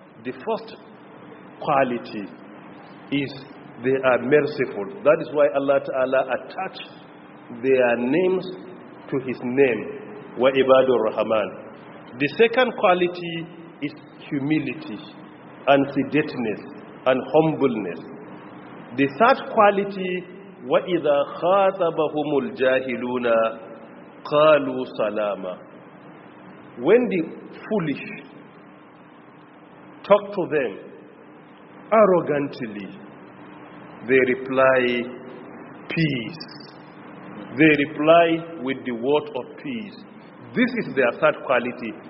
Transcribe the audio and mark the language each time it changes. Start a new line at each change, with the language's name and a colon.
English: The first quality is they are merciful. That is why Allah Ta'ala attached their names to his name,
Arabic: وَإِبَادُ الرَّحْمَانِ.
English: The second quality is humility and sedateness and humbleness. The third quality,
Arabic: وَإِذَا خَاطَبَهُمُ الْجَاهِلُونَ قَالُوا سَلَامًا.
English: When the foolish talk to them arrogantly, they reply, peace. They reply with the word of peace. This is their third quality.